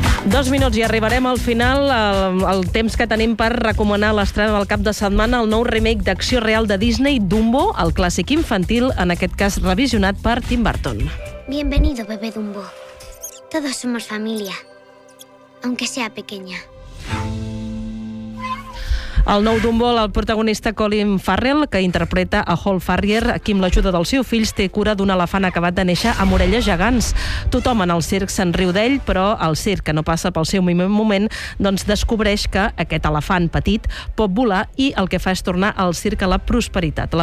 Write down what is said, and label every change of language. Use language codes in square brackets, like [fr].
[ca] Dos minuts i arribarem al final, el temps que tenim per recomanar l'estrena del cap de setmana, el nou remake d'acció real de Disney, Dumbo, el clàssic infantil, en aquest cas revisionat per Tim Burton. [es] Bienvenido, bebé Dumbo. Todos somos familia, aunque sea pequeña. [ca] El nou Dumbo, el protagonista Colin Farrell, que interpreta a Hal Farrier, qui amb l'ajuda del seu fill té cura d'un elefant acabat de néixer amb orelles gegants. Tothom en el circ se'n riu d'ell, però el circ, que no passa pel seu moment, doncs descobreix que aquest elefant petit pot volar i el que fa és tornar al circ a la prosperitat.